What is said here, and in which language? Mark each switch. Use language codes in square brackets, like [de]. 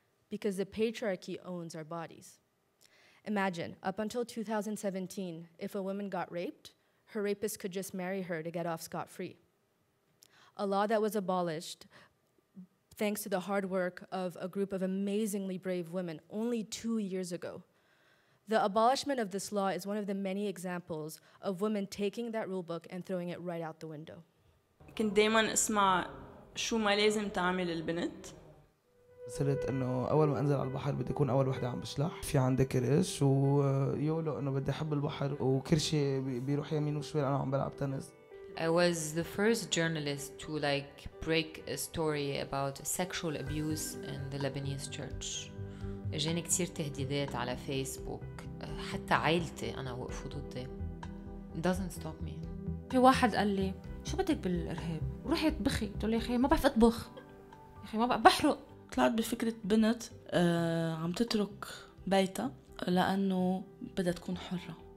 [en] Because the patriarchy owns our bodies. Imagine, up until 2017, if a woman got raped, her rapist could just marry her to get off scot-free. A law that was abolished thanks to the hard work of a group of amazingly brave women only 2 years ago. The abolishment of this law is one of the many examples of women taking that rule book and throwing it right out the window. [ar] كنت دايماً اسمع شو ما لازم تعمل البنت. صرت انه اول ما انزل على البحر بدي اكون اول وحده عم بشلح، في عندي كرش ويولو انه بدي احب البحر وكرشي بيروح يمين وشمال انا عم بلعب تنس. [en] I was the first journalist to like break a story about sexual abuse in the Lebanese church. [ar] اجاني كثير تهديدات على فيسبوك، حتى عائلتي انا وقفوا ضدي. [en] Doesn't stop me. [ar] في واحد قال لي شو بدك بالارهاب؟ روحي اطبخي، قلت له يا اخي ما بعرف اطبخ. يا اخي ما بعرف بحرق. طلعت بفكرة بنت عم تترك بيتها لأنه بدها تكون حرة.